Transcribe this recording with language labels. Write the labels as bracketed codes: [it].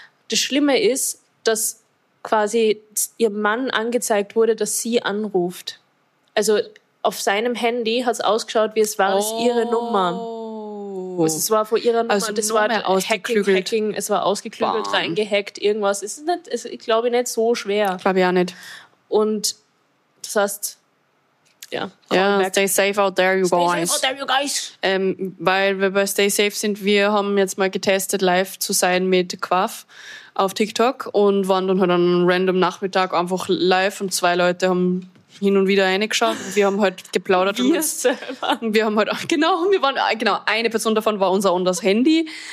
[de] Das Schlimme ist, dass quasi ihr Mann angezeigt wurde, dass sie anruft. Also auf seinem Handy hat es ausgeschaut, wie es war, es ihre Nummer. Also es war vor ihrer Nummer, also das Nummer war Hacking, es war ausgeklügelt, reingehackt, irgendwas. Es ist nicht, ich glaube nicht so schwer. Glaube ich auch nicht. Und das heißt, ja. [en] Ja, stay safe out there, you guys. Stay safe out there, you guys. [de] Weil wir bei Stay Safe sind, wir haben jetzt mal getestet, live zu sein mit Quaff auf TikTok und waren dann halt an einem random Nachmittag einfach live und zwei Leute haben hin und wieder reingeschaut. Wir haben halt geplaudert. Wir und wir haben halt, genau, eine Person davon war unser anderes Handy.